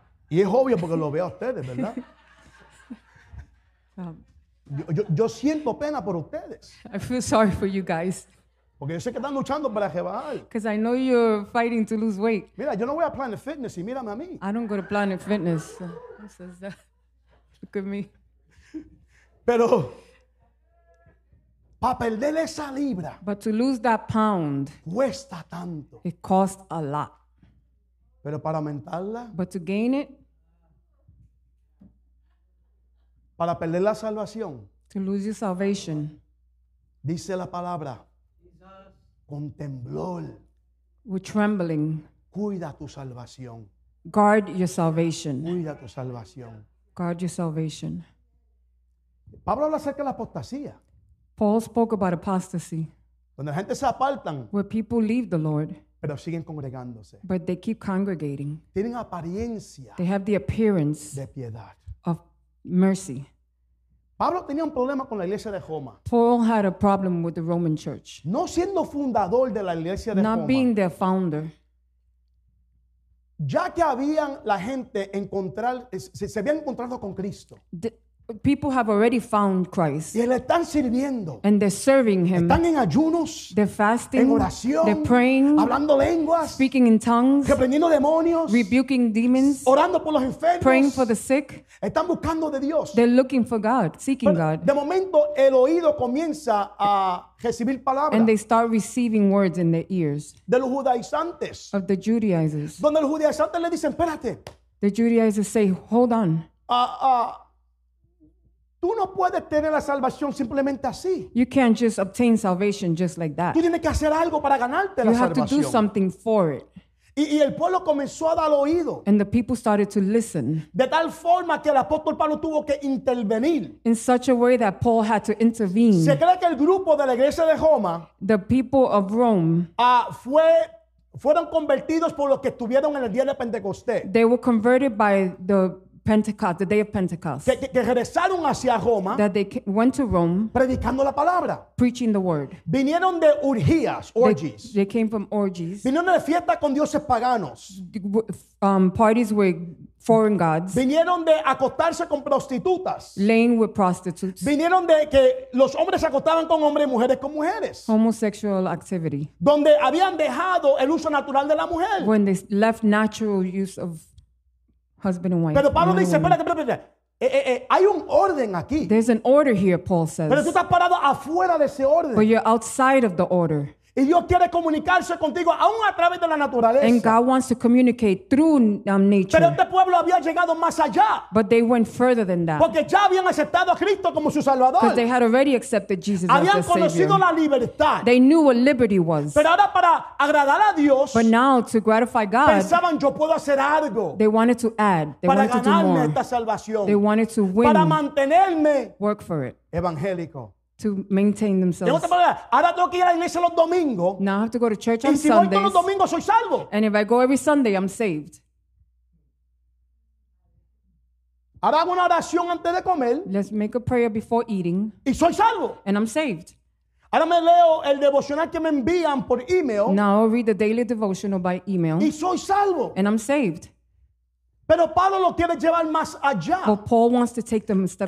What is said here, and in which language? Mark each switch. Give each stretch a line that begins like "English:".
Spanish: Y es obvio porque lo veo a ustedes, ¿verdad? Yo siento pena por ustedes.
English: I feel sorry for you guys.
Spanish: Porque yo sé que están luchando para rebajar.
English: Because I know you're fighting to lose weight.
Spanish: Mira, yo no voy a Planet Fitness y mírame a mí.
English: I don't go to Planet Fitness. So it says that. Look at me.
Spanish: Pero para perder esa libra.
English: But to lose that pound.
Spanish: Cuesta tanto.
English: It costs a lot.
Spanish: Pero para aumentarla.
English: But to gain it.
Spanish: Para perder la salvación.
English: To lose your salvation.
Spanish: Dice la palabra. Con temblor.
English: With trembling.
Spanish: Cuida tu salvación.
English: Guard your salvation.
Spanish: Cuida tu salvación.
English: Guard your salvation.
Spanish: Pablo habla acerca de la apostasía.
English: Paul spoke about apostasy.
Spanish: Cuando la gente se apartan,
English: where people leave the Lord.
Spanish: Pero siguen congregándose.
English: But they keep congregating.
Spanish: Tienen apariencia.
English: They have the appearance
Spanish: de piedad.
English: Of mercy.
Spanish: Pablo tenía un problema con la iglesia de Roma.
English: Paul had a problem with the Roman church.
Spanish: No siendo fundador de la iglesia de
English: not
Spanish: Roma.
English: Not being their founder.
Spanish: Ya que habían la gente encontrar, se habían encontrado con Cristo.
English: People have already found Christ.
Spanish: Y le están sirviendo.
English: And they're serving him.
Spanish: Están en ayunos.
English: They're fasting.
Spanish: En oración.
English: They're praying.
Spanish: Hablando lenguas.
English: Speaking in tongues.
Spanish: Reprendiendo demonios.
English: Rebuking demons.
Spanish: Orando por los enfermos.
English: Praying for the sick.
Spanish: Están buscando de Dios.
English: They're looking for God. Seeking
Spanish: pero,
English: God.
Spanish: De momento el oído comienza a recibir palabras.
English: And they start receiving words in their ears.
Spanish: De los judaizantes.
English: Of the Judaizers.
Spanish: Donde los judaizantes le dicen, espérate.
English: The Judaizers say, hold on.
Spanish: Tú no puedes tener la salvación simplemente así.
English: You can't just obtain salvation just like that.
Spanish: Tú tienes que hacer algo para ganarte la salvación.
English: You have to do something for it.
Spanish: Y el pueblo comenzó a dar oído.
English: And the people started to listen.
Spanish: De tal forma que el apóstol Pablo tuvo que intervenir.
English: In such a way that Paul had to intervene.
Spanish: Se cree que el grupo de la iglesia de Roma,
English: the people of Rome,
Spanish: fueron convertidos por los que estuvieron en el día de Pentecostés.
English: They were converted by the Pentecost, the day of Pentecost.
Spanish: Que regresaron hacia Roma,
English: that they went to Rome
Spanish: predicando la palabra,
English: preaching the word.
Spanish: Vinieron de urgías, orgies.
English: They came from orgies.
Spanish: Vinieron de fiestas con dioses paganos.
English: Parties with foreign gods.
Spanish: Vinieron de acostarse con prostitutas.
English: Laying with prostitutes.
Spanish: Vinieron de que los hombres acostaban con hombres y mujeres con mujeres.
English: Homosexual activity.
Spanish: Donde habían dejado el uso natural de la mujer.
English: When they left natural use of husband and wife.
Spanish: Pero Pablo dice, espérate. Hay un orden aquí.
English: There's an order here, Paul says.
Spanish: Pero tú estás parado afuera de ese orden.
English: But you're outside of the order.
Spanish: Y Dios quiere comunicarse contigo aún a través de la naturaleza.
English: And God wants to communicate through nature.
Spanish: Pero este pueblo había llegado más allá.
English: But they went further than that.
Spanish: Porque ya habían aceptado a Cristo como su Salvador.
English: Because they had already accepted Jesus
Spanish: habían
English: as their Savior.
Spanish: Habían conocido la libertad.
English: They knew what liberty was.
Spanish: Pero ahora para agradar a Dios.
English: But now to gratify God.
Spanish: Pensaban, yo puedo hacer algo.
English: They wanted to add. They
Spanish: para
English: wanted
Spanish: ganarme
English: to do more.
Spanish: Esta salvación.
English: They wanted to win.
Spanish: Para mantenerme.
English: Work for it.
Spanish: Evangélico.
English: To maintain themselves. Now I have to go to church on Sundays. And if I go every Sunday, I'm saved. Let's make a prayer before eating. And I'm saved.
Spanish: Ahora me leo el devocional que me envían por email.
English: Now I'll read the daily devotional by email. And I'm saved.
Spanish: Pero Pablo lo quiere llevar más allá.
English: But Paul wants to take them a step